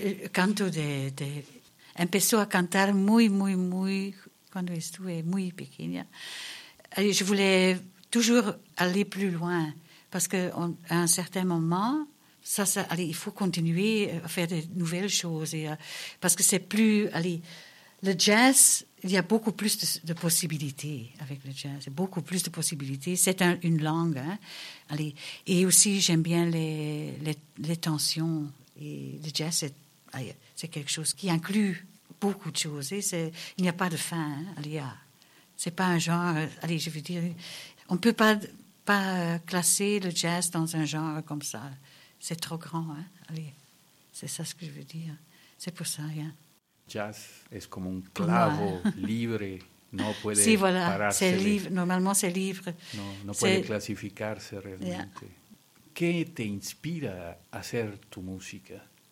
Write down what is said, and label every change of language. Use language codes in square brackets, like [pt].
[es] Canto empezó a cantar muy, muy, muy, cuando estuve muy pequeña. [fr] Je voulais toujours aller plus loin. Parce qu'à un certain moment, il faut continuer à faire de nouvelles choses. Parce que c'est plus, Le jazz, il y a beaucoup plus de possibilités avec le jazz. Beaucoup plus de possibilités. C'est une langue. Hein. Allez. Et aussi, j'aime bien les tensions. Et le jazz, c'est quelque chose qui inclut beaucoup de choses. Et c'est, il n'y a pas de fin. Hein. Allez, c'est pas un genre... Allez, je veux dire, on ne peut pas classer le jazz dans un genre comme ça. C'est trop grand. Hein. Allez, c'est ça ce que je veux dire. C'est pour ça, rien. [es] Jazz [fr] est comme un [es] clavo libre, no puede sí, voilà, pararse. [fr] C'est libre, normalement c'est libre. [es] No puede clasificarse realmente. Yeah. ¿Qué te inspira a hacer tu música?